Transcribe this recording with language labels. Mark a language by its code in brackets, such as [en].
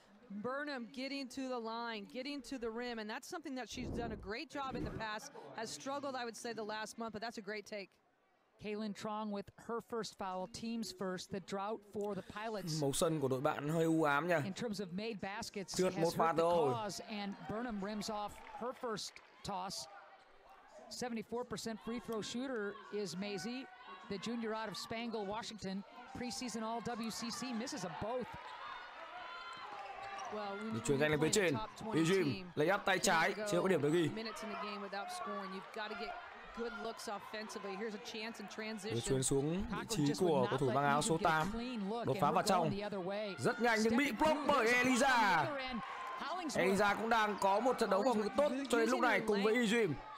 [en] Burnham getting to the line, getting to the rim, and that's something that she's done a great job in the past, has struggled, I would say, the last month, but that's a great take. Kaylin Trong with her first foul, team's first, the drought for the Pilots. [vi] Màu sân của đội bạn hơi u ám nha. [en] In terms of made baskets, [vi] trượt một pha thôi. [en] And Burnham rims off her first toss. 74% free throw shooter is Maisie, the junior out of Spangle, Washington. Preseason all WCC misses them both. Well, we [vi] chuyển nhanh lên phía trên. Ejim lay up tay trái, chưa có điểm được ghi. [en] Minutes in the game without scoring, you've got to get good looks offensively. Here's a chance in transition. [vi] Để chuyển xuống vị trí của cầu thủ mang áo số 8. Đột phá vào trong. Rất nhanh nhưng bị block bởi Eliza. Eliza cũng đang có một trận đấu phòng ngự tốt cho đến lúc này cùng với Ijim.